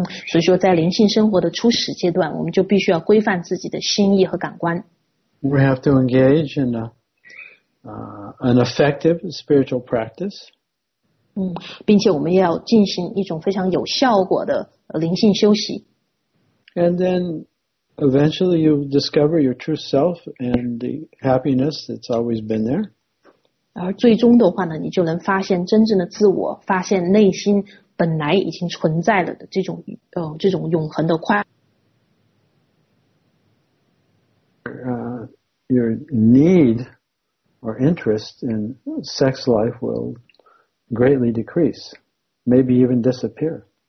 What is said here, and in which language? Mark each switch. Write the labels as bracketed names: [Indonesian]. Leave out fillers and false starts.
[Chinese] 所以说在灵性生活的初始阶段，我们就必须要规范自己的心意和感官。 [English] We have to engage in an effective spiritual practice. [Chinese] 并且我们要进行一种非常有效果的灵性修习。 [English] And then eventually you discover your true self and the happiness that's always been there. [Chinese] 而最终的话呢，你就能发现真正的自我，发现内心本来已经存在了的这种永恒的快乐。 [English] Your need or interest in sex life will greatly decrease, maybe even disappear.